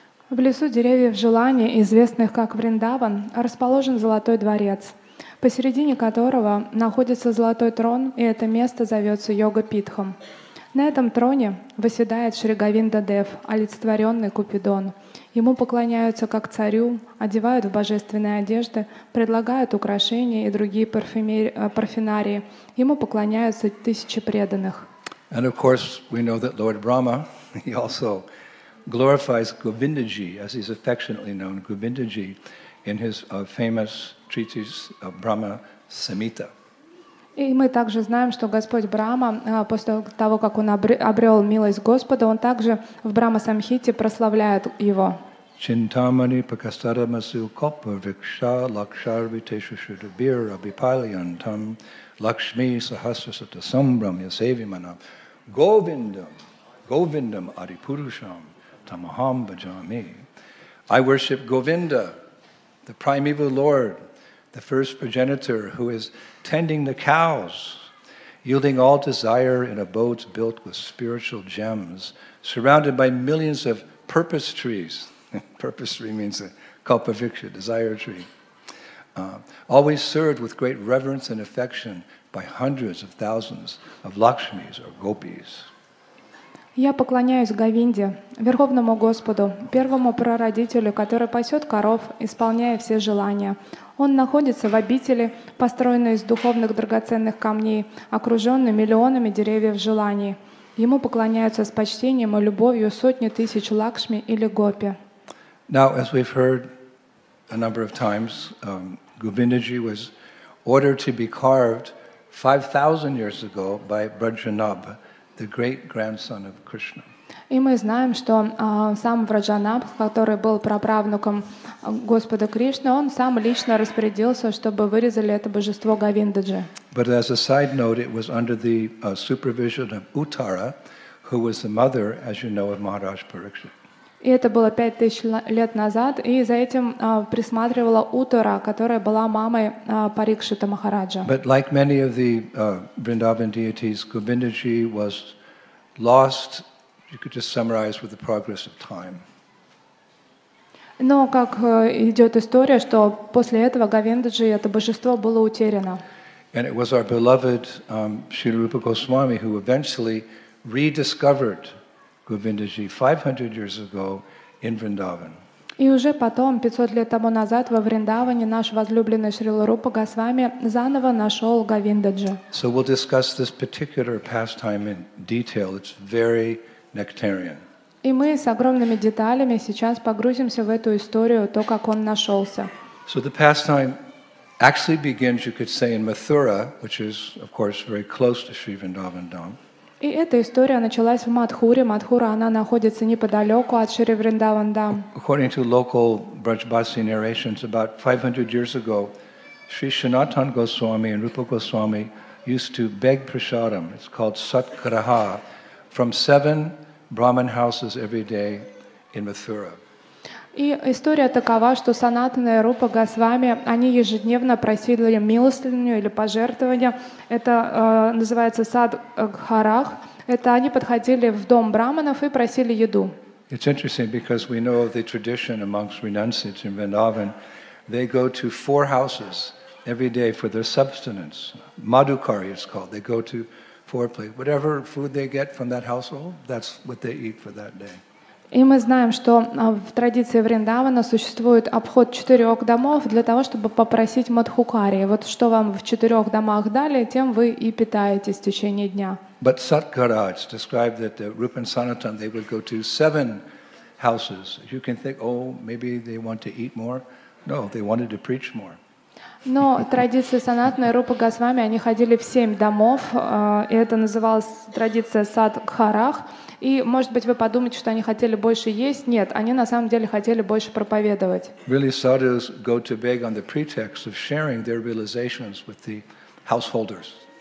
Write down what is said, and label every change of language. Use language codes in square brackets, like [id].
[ru] В лесу деревьев желаний, известных как Вриндаван, расположен золотой дворец, посередине которого находится золотой трон, и это место зовется Йога-Питхом. На этом троне восседает Шри Говинда Дев, олицетворенный Купидон. Ему поклоняются как царю, одевают в божественные одежды, предлагают украшения и другие парфюмерии. Ему поклоняются тысячи преданных. [en] And of course, we know that Lord Brahma, he also glorifies Govindaji, as he's affectionately known, Govindaji, in his famous treatise of Brahma Samhita. [ru] И мы также знаем, что Господь Брама, после того, как он обрел милость Господа, он также в Брама-самхите прославляет его. [sa] Чинтамани пакастарамасу копа викша лакшарвитешу шудубир абипалиантам лакшми сахасрасата самбрам ясевиманам говиндам, говиндам арипурушам тамахам баджами. [en] I worship Govinda, the primeval Lord, the first progenitor who is tending the cows, yielding all desire in abodes built with spiritual gems, surrounded by millions of purpose trees. Purpose tree means a kalpa viksha, desire tree. Always served with great reverence and affection by hundreds of thousands of lakshmis or gopis. [ru] Я поклоняюсь Говинде, Верховному Господу, первому прародителю, который пасет коров, исполняя все желания. Он находится в обители, построенной из духовных драгоценных камней, окруженной миллионами деревьев желаний. Ему поклоняются с почтением и любовью сотни тысяч лакшми или гопи. [en] Now, as we've heard a number of times, Govindaji was ordered to be carved 5,000 years ago by Vrajanabha, the great grandson of Krishna. [ru] И мы знаем, что сам Враджанабх, который был праправнуком Господа Кришны, он сам лично распорядился, чтобы вырезали это божество Говиндаджи. [en] But as a side note, it was under the supervision of Uttara, who was the mother, as you know, of Maharaj Parikshit. [ru] И это было 5000 лет назад, и за этим присматривала Утара, которая была мамой Парикшита Махараджа. [en] But like many of the Vrindavan deities, Govindaji was lost, you could just summarize, with the progress of time. [ru] Но как идет история, что после этого Говиндаджи, это божество, было утеряно. [en] And it was our beloved Śrīla Rūpa Gosvāmī who eventually rediscovered Govindaji 500 years ago in Vrindavan. [ru] И уже потом, 500 лет тому назад, во Вриндаване, наш возлюбленный Шрила Рупа Госвами заново нашел Говиндаджи. [en] So we'll discuss this particular pastime in detail. It's very nectarian. [ru] И мы с огромными деталями сейчас погрузимся в эту историю, то, как он нашелся. [en] So the pastime actually begins, you could say, in Mathura, which is, of course, very close to Sri Vrindavan Dham. [ru] И эта история началась в Мадхуре. Мадхура, она находится неподалеку от Шри Вриндаван Дам. [en] According to local Brajbasi narrations, about 500 years ago, Sri Sanatan Goswami and Rupa Goswami used to beg prasadam, it's called satgraha, from 7 Brahmin houses every day in Mathura. [ru] И история такова, что Санатана и Рупа Госвами, они ежедневно просили милостыню или пожертвования. Это называется садгхарах. Это они подходили в дом браманов и просили еду. [en] It's interesting because we know of the tradition amongst renunciates in Vrindavan. They go to 4 houses every day for their substance. Madhukari it's called. They go to 4 places. Whatever food they get from that household, that's what they eat for that day. [ru] И мы знаем, что в традиции Вриндавана существует обход 4 домов для того, чтобы попросить мадхукари. Вот что вам в 4 домах дали, тем вы и питаетесь в течение дня. [en] But satgara, it's described that the Rupa and Sanatan, they would go to 7 houses. You can think, oh, maybe they want to eat more. No, they wanted to preach more. [ru] Но традиция Санатана и Рупа Госвами, они ходили в 7 домов, и это называлось традиция садгхарах. И, может быть, вы подумаете, что они хотели больше есть. Нет, они на самом деле хотели больше проповедовать. [en] Really, sadhus go to beg on the pretext of sharing their realizations with the householders.